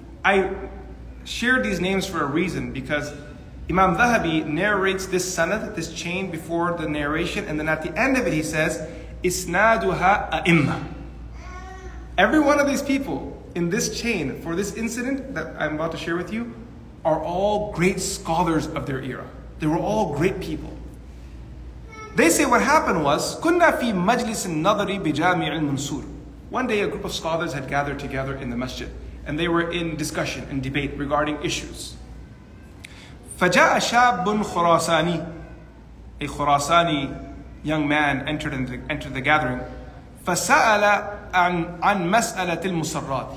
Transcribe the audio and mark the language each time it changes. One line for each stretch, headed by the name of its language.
English: I shared these names for a reason, because Imam Dhahabi narrates this sanad, this chain, before the narration, and then at the end of it he says,
Arabic: إسنادها أئمة.
English: Every one of these people in this chain for this incident that I'm about to share with you are all great scholars of their era. They were all great people. They say what happened was,
Arabic: كنا في مجلس النظري بجامع المنصور.
English: One day a group of scholars had gathered together in the masjid and they were in discussion and debate regarding issues.
Arabic: فجاء شاب خراساني.
English: A Khurasani young man entered the gathering.
Arabic: فسأل عن مسألة المسرات.